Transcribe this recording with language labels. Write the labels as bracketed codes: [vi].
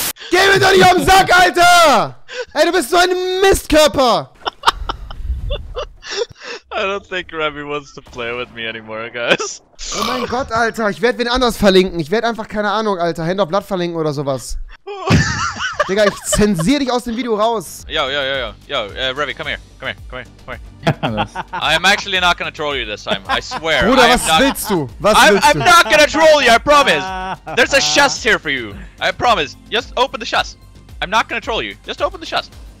[de] Geh mir doch nicht auf den Sack, Alter! Ey, du bist so ein Mistkörper! [en] I don't think Revy wants to play with me anymore, guys. [de] Oh mein Gott, Alter, ich werde wen anders verlinken. Ich werde einfach, keine Ahnung, Alter, Hand of Blood verlinken oder sowas. Digga, ich zensiere dich aus dem Video raus. [en] Yo, Revy, come here. I'm actually not gonna troll you this time, I swear. [de] Bruder, was willst du? [en] I'm not gonna troll you, I promise. There's a chest here for you. I promise, just open the chest. I'm not gonna troll you, just open the chest.